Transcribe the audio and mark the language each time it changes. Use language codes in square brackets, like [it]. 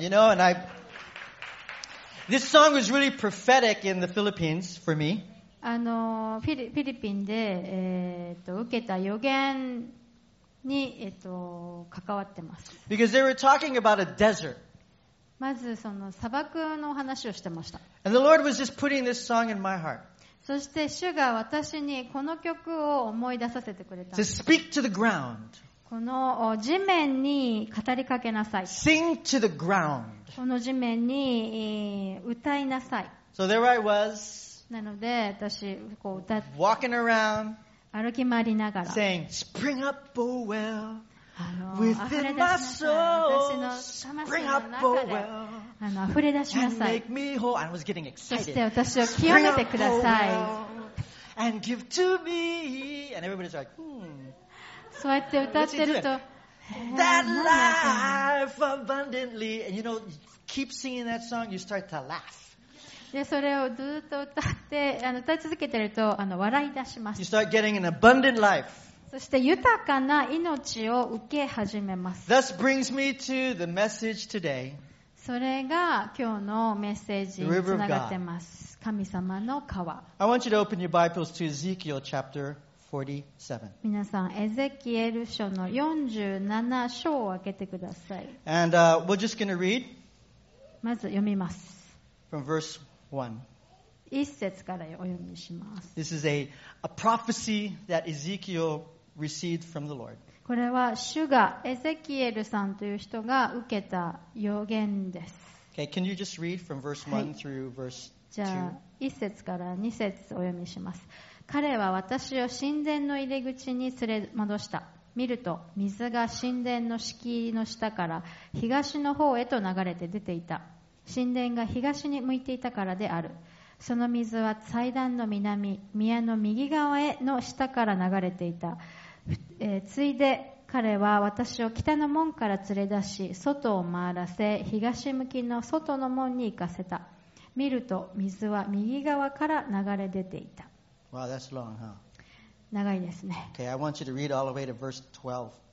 [en] You know, and this song was really prophetic in the Philippines for me. [ja] フィリピンで、受けた予言に、関わってます。 [en] Because they were talking about a desert. [ja] まずその砂漠の話をしてました。 [en] And the Lord was just putting this song in my heart. [ja] そして主が私にこの曲を思い出させてくれた。 [en] To speak to the ground. [ja] この地面に語りかけなさい。 [en] Sing to the ground. [ja] この地面に歌いなさい。 [en] So there I was. [ja] なので私こう歌って。 [en] Walking around. [ja] 歩き回りながら。 [en] Saying, Spring up, oh well. Within my soul. Spring up, oh well. [ja] 溢れ出しなさい。 [en] And make me whole. I was getting excited. [ja] そして私を清めてください。 [en] And give to me. And everybody's like, [ja] そうやって歌ってると、 [en] That life abundantly, and you know, keep singing that song, you start to laugh. [ja] で、それをずっと歌って、歌い続けてると、笑い出します。 [en] You start getting an abundant life. [ja] そして豊かな命を受け始めます。 [en] Thus brings me to the message today. [ja] それが今日のメッセージにつながってます。神様の川。 [en] I want you to open your Bibles to Ezekiel chapter. 47. [ja] 皆さん、エゼキエル書の47章を開けてください。 [en] And, we're just gonna read. [ja] まず読みます。 [en] From verse 1. [ja] 1節からお読みします。 [en] This is a prophecy that Ezekiel received from the Lord. [ja] これは主がエゼキエルさんという人が受けた予言です。 [en] Okay, can you just read from verse 1 through verse 2? [ja] じゃあ、1節から2節お読みします。彼は私を神殿の入り口に連れ戻した。見ると水が神殿の敷居の下から東の方へと流れて出ていた。神殿が東に向いていたからである。その水は祭壇の南、宮の右側への下から流れていた。ついで彼は私を北の門から連れ出し、外を回らせ東向きの外の門に行かせた。見ると水は右側から流れ出ていた。 [en] Wow, that's long, huh? [ja] 長いですね。 [en] Okay, I want you to read all the way to verse 12.